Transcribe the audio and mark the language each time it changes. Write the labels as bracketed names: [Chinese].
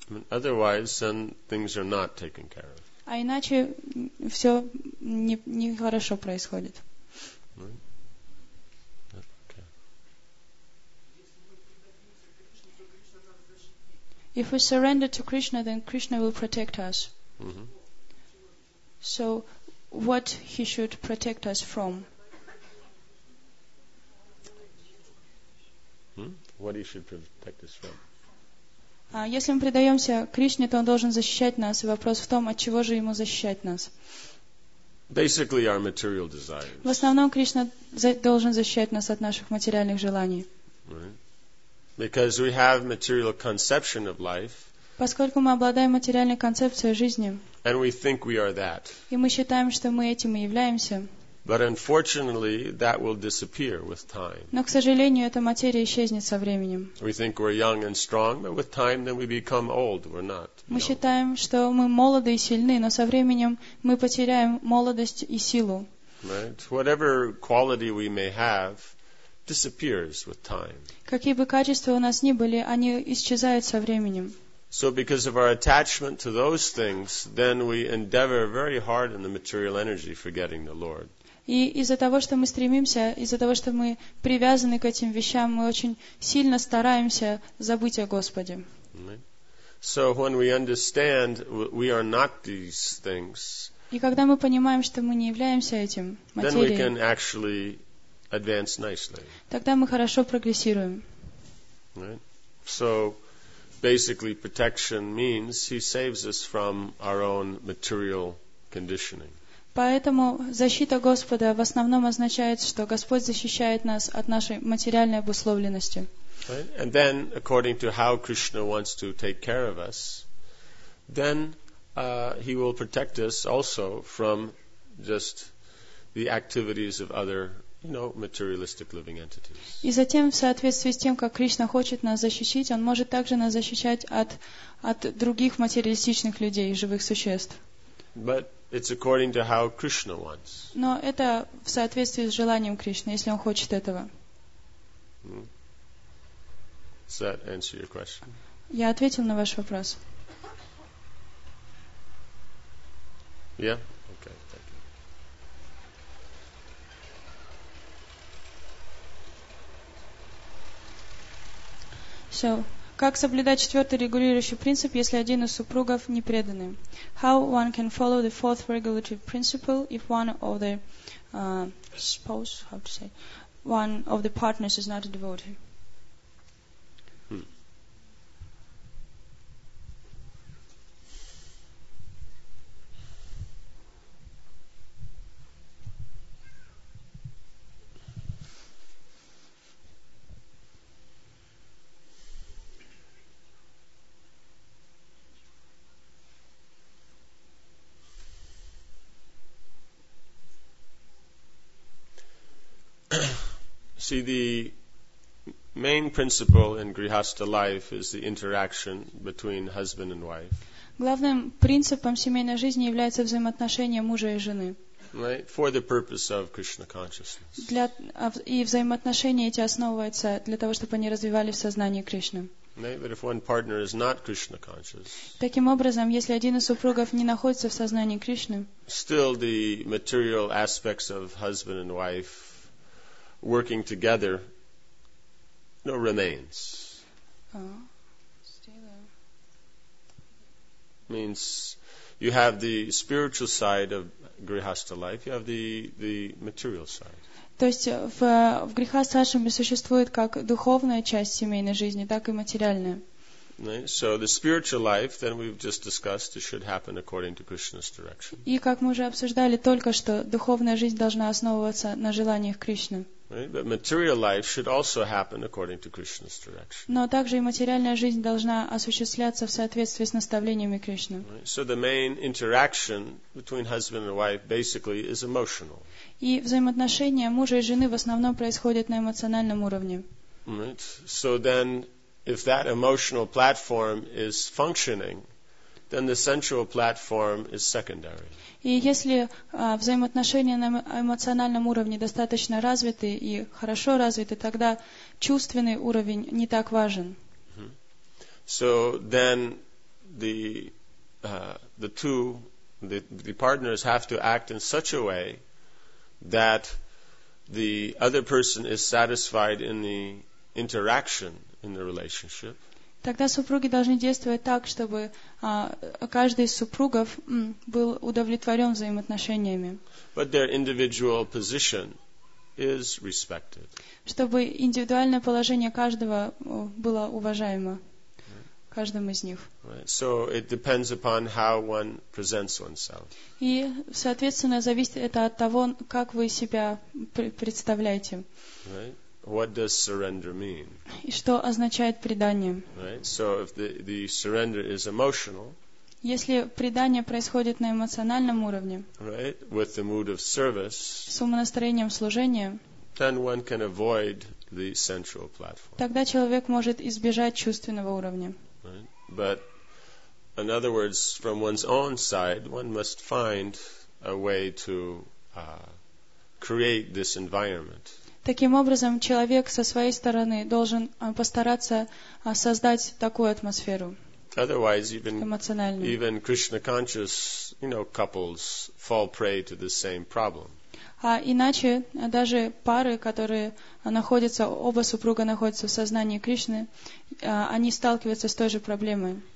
[English] Otherwise, then things are not taken care of. [Russian] А иначе все нехорошо происходит. [English] Okay. If we surrender to Krishna, then Krishna will protect us. Mm-hmm. So, what he should protect us from? What he should protect us from? [Russian] Если мы предаемся Кришне, то он должен защищать нас. И вопрос в том, от чего же ему защищать нас? [English] Basically, our material desires. [Russian] В основном Кришна должен защищать нас от наших материальных желаний. [English] Because we have material conception of life. [Russian] Поскольку мы обладаем материальной концепцией жизни. [English] And we think we are that. [Russian] И мы считаем, что мы этим и являемся. [English] But unfortunately, that will disappear with time. [Russian] Но, к сожалению, эта материя исчезнет со временем. [English] We think we're young and strong, but with time, then we become old. We're not. [Russian] Мы считаем, что мы молоды и сильны, но со временем мы потеряем молодость и силу. [English] Right? Whatever quality we may have disappears with time. [Russian] Какие бы качества у нас ни были, они исчезают со временем. [English] So because of our attachment to those things, then we endeavor very hard in the material energy forgetting the Lord. [Russian] И из-за того, что мы стремимся, из-за того, что мы привязаны к этим вещам, мы очень сильно стараемся забыть о Господе. [English] So when we understand we are not these things, [Russian] и когда мы понимаем, что мы не являемся этим материей, [English] then we can actually advance nicely. [Russian] Тогда мы хорошо прогрессируем. [English] Right? So basically protection means he saves us from our own material conditioning. [Russian] Поэтому защита Господа в основном означает, что Господь защищает нас от нашей материальной обусловленности. [English] Right? And then according to how Krishna wants to take care of us, then he will protect us also from just the activities of other materialistic living entities. [Russian] И затем, в соответствии с тем, как Кришна хочет нас защитить, Он может также нас защищать от других материалистичных людей, живых существ. [English] But it's according to how Krishna wants. [Russian] Но это в соответствии с желанием Кришны, если Он хочет этого. [English] Does that answer your question? [Russian] Я ответил на ваш вопрос. [English] Yeah? [Russian] So, как соблюдать четвертый регулирующий принцип, если один из супругов не преданный? [English] How one can follow the fourth regulative principle if one of the spouse, how to say, one of the partners is not a devotee? See, the main principle in grihastha life is the interaction between husband and wife. [Russian] Главным принципом семейной жизни является взаимоотношение мужа и жены. [English] Right? For the purpose of Krishna consciousness. [Russian] И взаимоотношения эти основываются для того, чтобы они развивались в сознании Кришны. [English] Right? But if one partner is not Krishna conscious. [Russian] Таким образом, если один из супругов не находится в сознании Кришны. [English] Still, the material aspects of husband and wife working together remains. Means you have the spiritual side of grihastha life, you have the material side. [Russian] То есть в грихастха ашраме существует как духовная часть семейной жизни, так и материальная. [English] So the spiritual life, then we've just discussed, it should happen according to Krishna's direction. [Russian] И как мы уже обсуждали только что, духовная жизнь должна основываться на желаниях Кришны. [English] Right? But material life should also happen according to Krishna's direction. [Russian] Но также и материальная жизнь должна осуществляться в соответствии с наставлениями Кришны. [English] Right? So the main interaction between husband and wife basically is emotional. [Russian] И взаимоотношения мужа и жены в основном происходят на эмоциональном уровне. [English] Right? So then, if that emotional platform is functioning, then the sensual platform is secondary. [Russian] И если взаимоотношения на эмоциональном уровне достаточно развиты и хорошо развиты, тогда чувственный уровень не так важен. [English] So then the partners have to act in such a way that the other person is satisfied in the interaction in the relationship. [Russian] Тогда супруги должны действовать так, чтобы каждый из супругов был удовлетворен взаимоотношениями. [English] But their individual position is respected. [Russian] Чтобы индивидуальное положение каждого было уважаемо, каждым из них. [English] Right. So it depends upon how one presents oneself. [Russian] И, соответственно, зависит это от того, как вы себя представляете. [English] Right. What does surrender mean? [Russian] И что означает предание? [English] Right. So if the surrender is emotional, [Russian] если предание происходит на эмоциональном уровне, [English] right, with the mood of service, [Russian] с умонастроением служения, [English] then one can avoid the sensual platform. [Russian] Тогда человек может избежать чувственного уровня. [English] Right. But in other words, from one's own side, one must find a way to create this environment. [Russian] Таким образом, человек со своей стороны должен постараться создать такую атмосферу. [English] Otherwise, even Krishna-conscious, you know, couples fall prey to the same problem. [Russian] А иначе даже пары, которые находятся, оба супруга находятся в сознании Кришны, они сталкиваются с той же проблемой.